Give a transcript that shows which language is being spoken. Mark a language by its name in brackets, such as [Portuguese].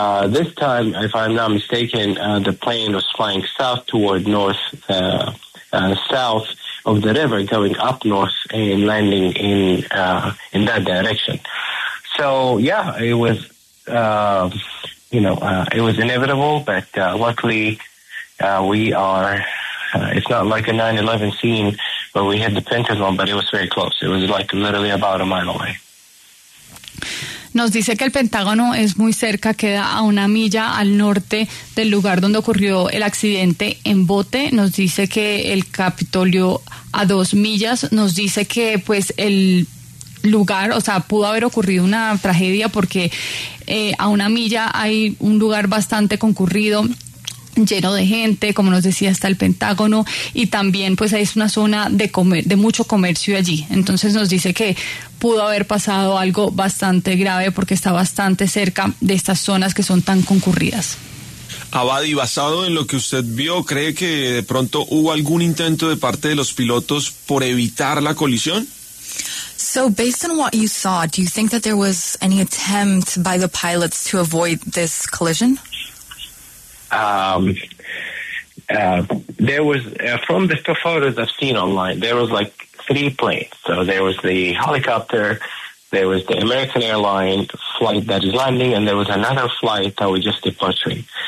[English] This time, if I'm not mistaken, the plane was flying south toward north, south of the river, going up north and landing in that direction. So, yeah, it was, it was inevitable, but luckily it's not like a 9/11 scene where we hit the Pentagon, but it was very close. It was like literally about a mile away. [Spanish] Nos dice que el Pentágono es muy cerca, queda a una milla al norte del lugar donde ocurrió el accidente en bote. Nos dice que el Capitolio a 2 millas. Nos dice que pues el lugar, o sea, pudo haber ocurrido una tragedia porque a una milla hay un lugar bastante concurrido, lleno de gente, como nos decía, está el Pentágono, y también pues es una zona de comer, de mucho comercio allí. Entonces nos dice que pudo haber pasado algo bastante grave porque está bastante cerca de estas zonas que son tan concurridas. Abadi, basado en lo que usted vio, ¿cree que de pronto hubo algún intento de parte de los pilotos por evitar la colisión? [English] So based on what you saw, do you think that there was any attempt by the pilots to avoid this collision? There was, from the photos I've seen online, there was like 3 planes. So there was the helicopter, there was the American Airlines flight that is landing, and there was another flight that was just departing.